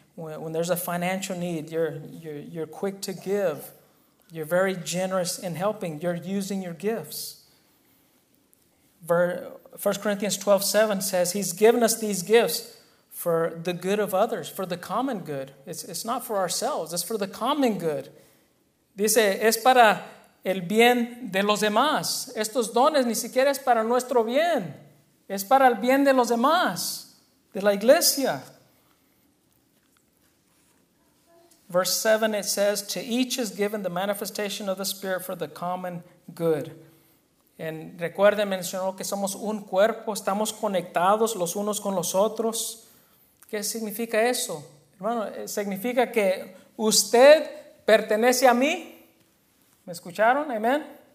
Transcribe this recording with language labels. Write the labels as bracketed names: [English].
[English] When there's a financial need, you're quick to give. You're very generous in helping. You're using your gifts. 1 Corinthians 12:7 says, He's given us these gifts for the good of others, for the common good. It's not for ourselves. It's for the common good. [Spanish] Dice, es para el bien de los demás. Estos dones ni siquiera es para nuestro bien. Es para el bien de los demás, de la iglesia. [English] Verse 7, it says, to each is given the manifestation of the Spirit for the common good. [Spanish] And recuerden, mencionó que somos un cuerpo, estamos conectados los unos con los otros. ¿Qué significa eso? Hermano, significa que usted pertenece a mí. ¿Me escucharon? Amen.